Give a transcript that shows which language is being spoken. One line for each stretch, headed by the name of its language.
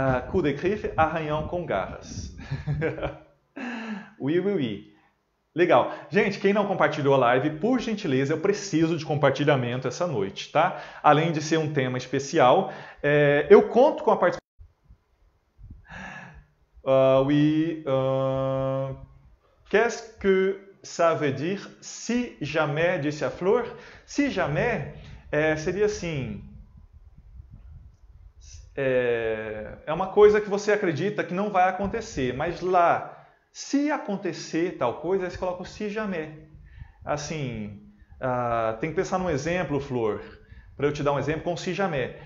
French: Coup de griffe,
Portuguese: arranhão com garras.
French: Oui.
Portuguese: Legal. Gente, quem não compartilhou a live, por gentileza, eu preciso de compartilhamento essa noite, tá? Além de ser um tema especial, eu conto com a participação.
French: Qu'est-ce que ça veut dire si jamais,
Portuguese: disse a Flor?
French: Si jamais
Portuguese: seria assim. É uma coisa que você acredita que não vai acontecer, mas lá, se acontecer tal coisa, você coloca o
French: si jamais.
Portuguese: Assim, tem que pensar num exemplo, Flor, para eu te dar um exemplo, com
French: si jamais.